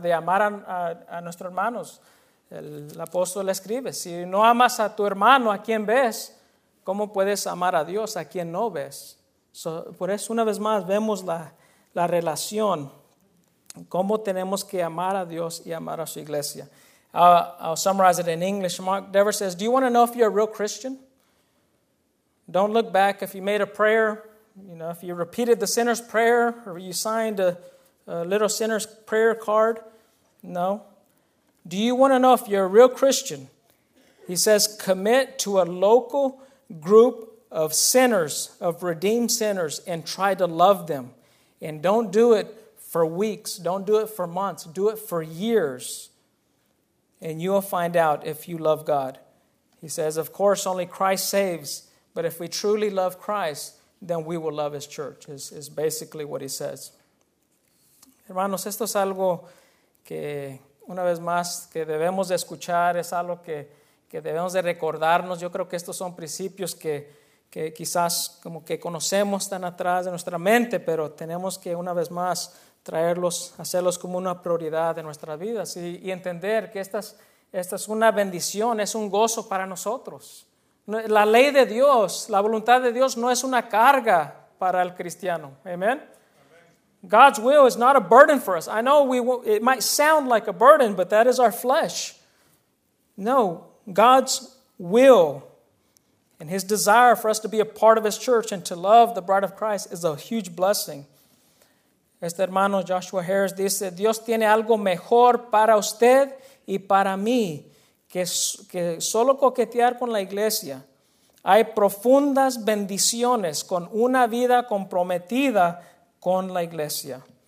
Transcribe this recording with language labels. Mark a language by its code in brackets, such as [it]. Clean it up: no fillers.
[es] De amar a nuestros hermanos. El apóstol escribe, si no amas a tu hermano, ¿a quién ves? ¿Cómo puedes amar a Dios, a quien no ves? So, por eso, una vez más, vemos la relación, cómo tenemos que amar a Dios y amar a su iglesia. [en] I'll summarize it in English. Mark Dever says, do you want to know if you're a real Christian? Don't look back if you made a prayer. You know, if you repeated the sinner's prayer or you signed a little sinner's prayer card, no. Do you want to know if you're a real Christian? He says, commit to a local group of sinners, of redeemed sinners, and try to love them. And don't do it for weeks. Don't do it for months. Do it for years. And you will find out if you love God. He says, of course, only Christ saves. But if we truly love Christ, then we will love his church, is basically what he says. [es] Hermanos, esto es algo que, una vez más, que debemos de escuchar, es algo que debemos de recordarnos. Yo creo que estos son principios que quizás como que conocemos tan atrás de nuestra mente, pero tenemos que, una vez más, traerlos, hacerlos como una prioridad de nuestras vidas y entender que esta es una bendición, es un gozo para nosotros. La ley de Dios, la voluntad de Dios no es una carga para el cristiano. Amen. [en] God's will is not a burden for us. I know it might sound like a burden, but that is our flesh. No, God's will and his desire for us to be a part of his church and to love the bride of Christ is a huge blessing. [es] Este hermano Joshua Harris dice, Dios tiene algo mejor para usted y para mí. Que solo coquetear con la iglesia. Hay profundas bendiciones con una vida comprometida con la iglesia.